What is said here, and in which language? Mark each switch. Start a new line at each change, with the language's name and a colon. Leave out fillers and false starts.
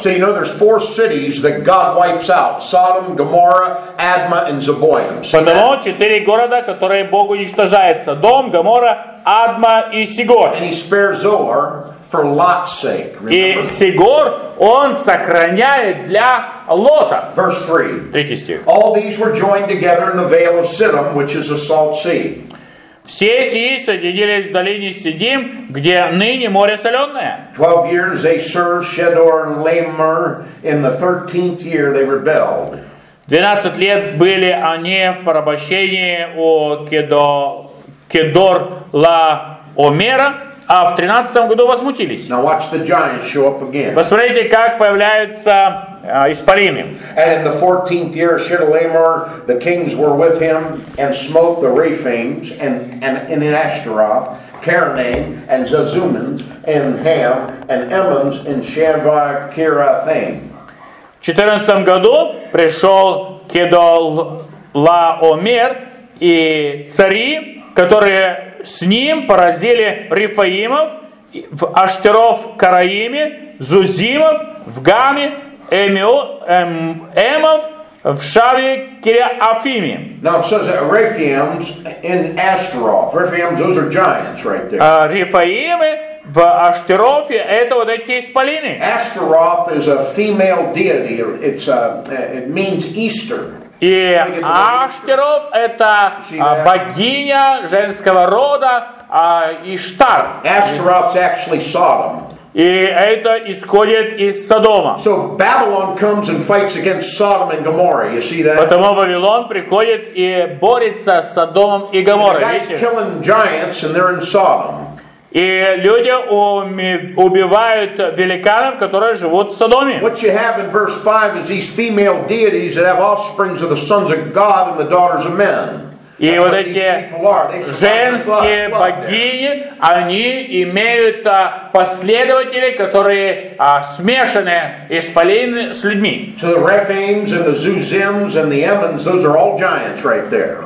English: So you know there's four cities that God wipes out: Sodom, Gomorrah, Adma, and Zeboim.
Russian: Потому четыре города, которые Бог уничтожает: Содом, Гомора, Адма и Сигор.
English: And he spares Zoar for Lot's sake.
Russian: И Сигор он сохраняет для Лота.
English: Verse 3.
Russian: Третий стих.
English: All these were joined together in the vale of Siddim, which is a salt sea.
Russian: Все сии соединились в долине Сидим, где ныне море соленое.
English: 12 years they served Shedor-Lamer. In the 13th year they rebelled.
Russian: 12 лет были они в порабощении у Кедор-Ла-Омера, а в 13 году возмутились.
English: Now watch the giants show up again.
Russian: Посмотрите, как появляются исполины.
English: And in the 14th year, Shedor-Lamer, the kings were with him and smote the Rephaims and in Ashtaroth, Carnaim and Zazumim and Ham and Emmons and Shavakirathaim.
Russian: В 14 году пришел Кедор-Ла-Омер и цари, которые с ним поразили Рефаимов в Аштеров-Караиме, Зузимов в Гаме, Эмов в Шаве-Кириафиме.
English: Now it says Rephaims in Ashtaroth. Rephaims, those are giants right there.
Russian: Рефаимы в Аштерофе, это вот эти исполины.
English: Ashtaroth is a female deity. It's a, it means Easter.
Russian: И Аштеров — это богиня женского рода Иштар.
English: Ashtaroth's actually Sodom.
Russian: И это исходит из Содома.
English: So Babylon comes and fights against Sodom and Gomorrah. You see that?
Russian: Потому Вавилон приходит и борется с Содомом и Гоморрой.
English: The guys killing giants and they're in Sodom.
Russian: И люди убивают великанов, которые живут в Содоме.
English: What you have in verse 5 is these female deities that have offspring of the sons of God and the daughters of men.
Russian: И вот эти женские богини, они имеют последователей, которые смешаны исполины с людьми.
English: So the Rephaims and the Zuzims and the Emmons, those are all giants right there.